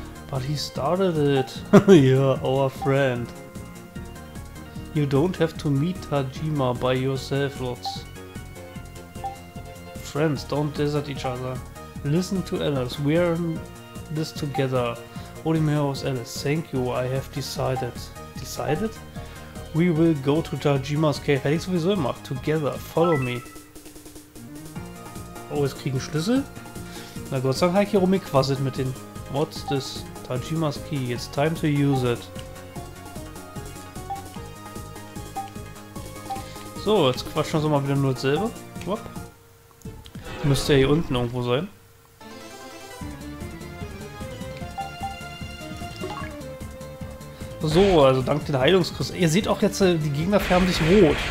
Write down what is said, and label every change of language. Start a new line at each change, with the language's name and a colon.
English: But he started it. Yeah, our friend. You don't have to meet Tajima by yourself, Lots. Friends, don't desert each other. Listen to Alice. We are in this together. Only Miao's Alice. Thank you, I have decided. Decided? We will go to Tajimas Cave,
German: hätte ich sowieso gemacht.
English: Together, follow me.
German: Oh, jetzt kriegen Schlüssel? Na Gott sei Dank habe ich hier rumgequasselt mit den...
English: What's this? Tajimas Key, it's time to use it.
German: So, jetzt quatschen wir mal wieder nur selber. Wupp. Müsste ja hier unten irgendwo sein. So, also dank den Heilungskristallen. Ihr seht auch jetzt, die Gegner färben sich rot.